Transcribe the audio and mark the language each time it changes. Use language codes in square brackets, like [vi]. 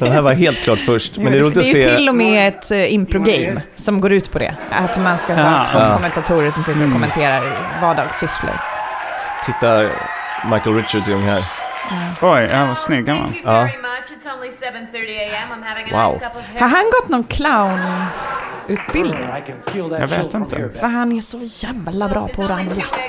[sv] Den här var helt klart först. Men det är att se. Ju till och med ett improgame som går ut på det. Att man ska ha sportkommentatorer som sitter och kommenterar vardagssysslor. Titta Michael Richards igång här. Mm. Oj, ja, vad snygg han var. Ja. [en] It's only 7:30 a.m. I'm having a nice cup of hair. [sv] Har han gått någon clown utbildning? Jag vet inte. För han är så jävla bra på att ranja.